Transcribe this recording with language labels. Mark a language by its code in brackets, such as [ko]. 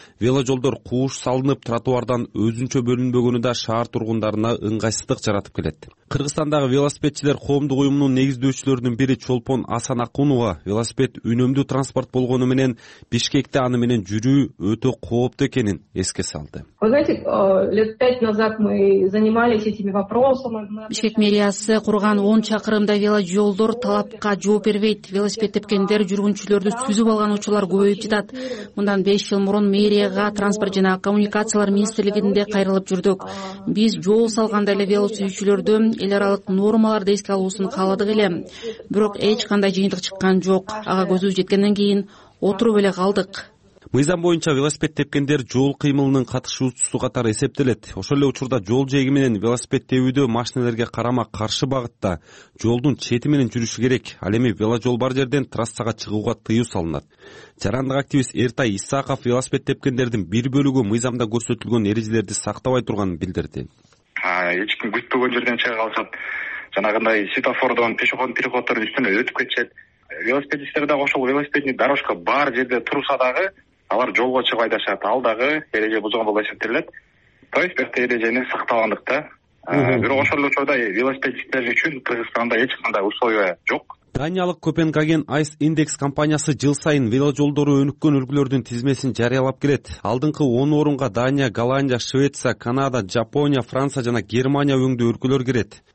[ky] Веложолдор кууш салынып, тротуардан өзүнчө бөлүнбөгөнү да шаар тургундарына ыңгайсыздык жаратып келет. Кыргызстандагы велосипедчилер коомдук уюмунун негиздөөчүлөрүнүн бири Чолпон Асанакунова велосипед үнөмдүү транспорт болгону менен Бишкекте аны менен жүрүү өтө кооптуу экенин эске салды. [ru] Вы знаете, лет 5 назад мы занимались этими вопросами. [ky] Бишкек мэриясы курган 10 чакырымда веложолдор талапка жооп бербейт. Велосипед тепкендер жүргүнчүлөрдү сүзүп алган учурлар көбөйүп жатат. Мындан 5 жыл мурун мэрияга транспорт жана коммуникациялар министрлигинде кайрылып жүрдүк. Биз жол салганда эле велосүйүүчүлөрдү эл аралык нормаларды эске алуусун кааладык эле. Бирок эч кандай жыйынтык чыккан жок. Ага көзүбүз жеткенден кийин отуруп эле калдык. Мыйзам боюнча велосипед тепкендер жол кыймылынын катышуучусу катары эсептелет. Ошол эле учурда жол жээги менен велосипед тебүүдө машинелерге карама каршы багытта жолдун чети менен жүрүшү керек. Ал эми веложол бар жерден трассага чыгууга тыюу салынат. Жарандык активист Эртай Исаков велосипед тепкендердин бир бөлүгү мыйзамда көрсөтүлгөн эрежелерди сактабай турганын билдирди. Эч ким күтпөгөн жерден чыга калышат, жанагындай светофордон пешеход переходтордун үстүнө өтүп кетишет. Велосипедисттер дагы ошол [ru] велосипедный дорожка [ky] бар жерде турса дагы алар жолго чыгып айдашат, ал дагы эреже бузган болуп эсептелет. [ru] То есть [ky] бирте эрежени сакталгандыкта. Бирок ошол эле учурда велосипедисттер үчүн Кыргызстанда эч кандай условия жок. Даниялык Копенгаген Айс Индекс компаниясы жыл сайын веложолдору өнүккөн үлгүлөрдүн тизмесин жарыялап келет. Алдыңкы 10 орунга Дания, Голландия, Швеция, Канада, Жапония, Франция жана Германия өңдүү өлкөлөр кирет.